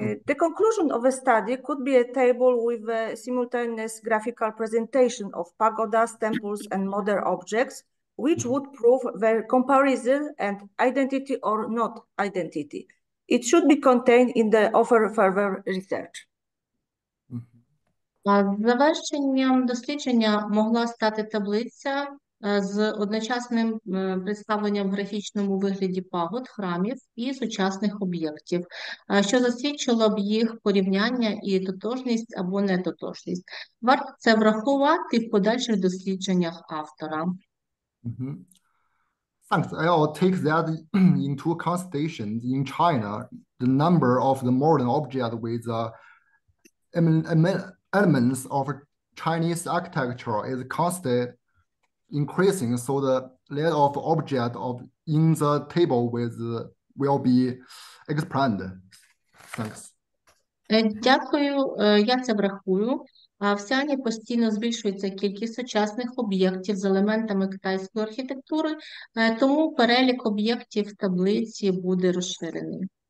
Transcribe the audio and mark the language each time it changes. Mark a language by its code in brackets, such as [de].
[en] The conclusion of a study could be a table with a simultaneous graphical presentation of pagodas, temples, and modern objects, which would prove their comparison and identity or not identity. It should be contained in the offer of further research. [uk] Завершенням дослідження могла стати таблиця з одночасним представленням в графічному вигляді пагод, храмів і сучасних об'єктів, що засвідчило б їх порівняння і тотожність або нетотожність. Варто це врахувати в подальших дослідженнях автора. [en] Thanks. I'll take that into consideration. In China, the number of the modern object with the elements of Chinese architecture is constant increasing, so the layer of object of in the table with will be expanded. Thanks. [uk] Дякую, я це врахую. В Сіані постійно збільшується кількість сучасних об'єктів з елементами китайської архітектури, тому перелік об'єктів в таблиці буде розширений.